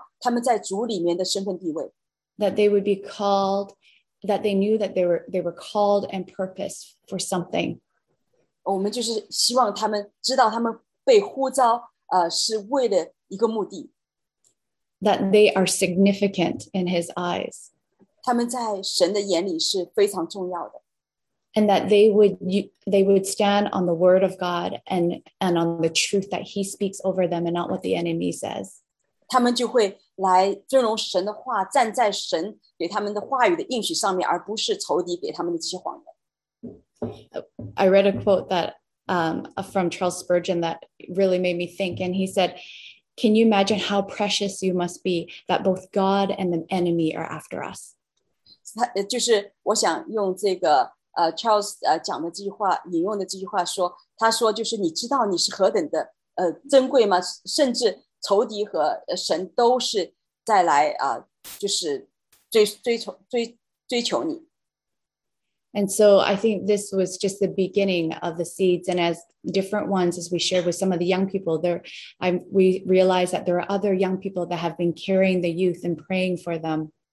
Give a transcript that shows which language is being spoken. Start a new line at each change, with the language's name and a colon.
Chinese: 我们就是要想让他们知道他们在主里面的身份地位。
English: That they would be called, that they knew that they were called and purposed for something.
Chinese: 我们就是希望他们知道他们被呼召, 是为了一个目的。
English: That they are significant in his eyes.
Chinese: 他们在神的眼里是非常重要的。
English: And that they would stand on the word of God and on the truth that he speaks over them and not what the enemy says.
Chinese: 他们就会来遵容神的话，站在神给他们的话语的应许上面，而不是仇敌给他们的这些谎言。
English: I read a quote that from Charles Spurgeon that really made me think. And he said, can you imagine how precious you must be that both God and the enemy are after us?
Chinese: 就是我想用这个 Charles 讲的这句话说，他说就是你知道你是何等的 珍贵吗？甚至仇敌和神都是在来 就是追求你。
English: And so I think this was just the beginning of the seeds. And as different ones, as we shared with some of the young people there, we realized that there are other young people that have been carrying the youth and praying for them.